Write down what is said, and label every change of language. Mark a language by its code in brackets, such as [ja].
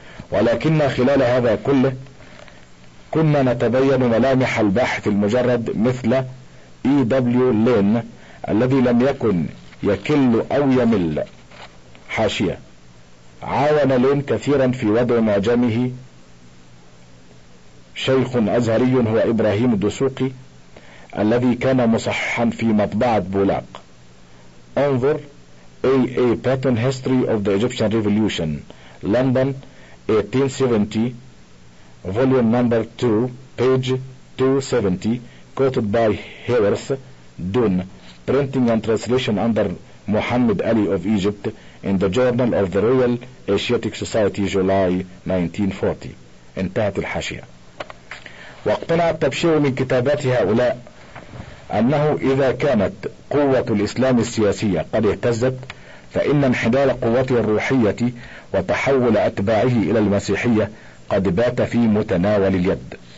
[ar] ولكن خلال هذا كله كنا نتبين ملامح الباحث المجرد مثل إي دبليو لين الذي لم يكن يكل أو يمل. حاشية: عاون لين كثيرا في وضع معجمه شيخ أزهري هو إبراهيم الدسوقي الذي كان مصححا في مطبعة بولاق، انظر A.A. [en] Patton History of the Egyptian Revolution London 1870 Volume number 2 Page 270 Quoted by Hewers Dun Printing and Translation under Muhammad Ali of Egypt in the Journal of the Royal Asiatic Society July 1940. [ar] انتهت الحاشية. واقتنع التبشير من كتابات هؤلاء أنه إذا كانت قوة الإسلام السياسية قد اهتزت، فإن انحدار قوته الروحية وتحول أتباعه إلى المسيحية قد بات في متناول اليد.